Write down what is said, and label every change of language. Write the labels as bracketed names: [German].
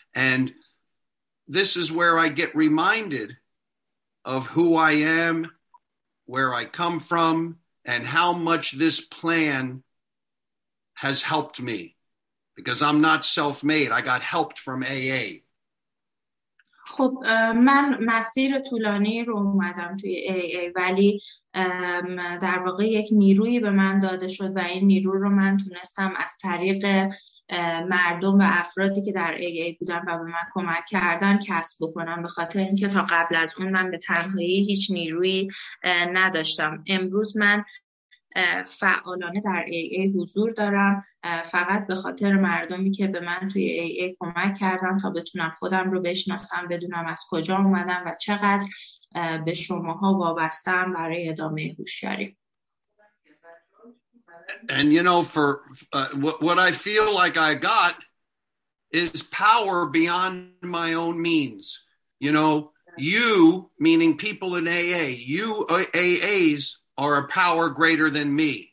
[English] And this is where I get reminded of who I am, where I come from, and how much this plan has helped me. Because I'm not self-made. I got helped from AA. [Persian] خب من مسیر طولانی رو اومدم توی AA، ولی در واقع یک نیرویی به من داده شد و این نیرو رو من تونستم از طریق مردم و افرادی که در AA بودن و به من کمک کردن کسب بکنم، به خاطر اینکه تا قبل از اون من به تنهایی هیچ نیرویی نداشتم. امروز من فعالانه در AA حضور دارم فقط به خاطر مردمی که به من توی AA کمک کردن تا بتونم خودم رو بشناسم، بدونم از کجا اومدم و چقدر به شماها وابستم برای ادامه هوشیاری. [English] And you know, for what I feel like I got is power beyond my own means. You know, you meaning people in AA, you AAs are a power greater than me.